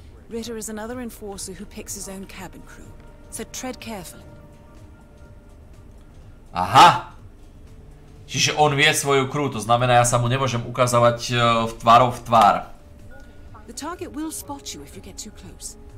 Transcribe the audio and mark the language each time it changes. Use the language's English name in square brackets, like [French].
[English] Ritter is another enforcer who picks his own cabin crew. So tread carefully. Aha! [Slovak] Čiže on vie svoju crew, to znamená, ja sa mu nemôžem ukazovať v tvárov v tvár. [English] The target will spot you if you get too close.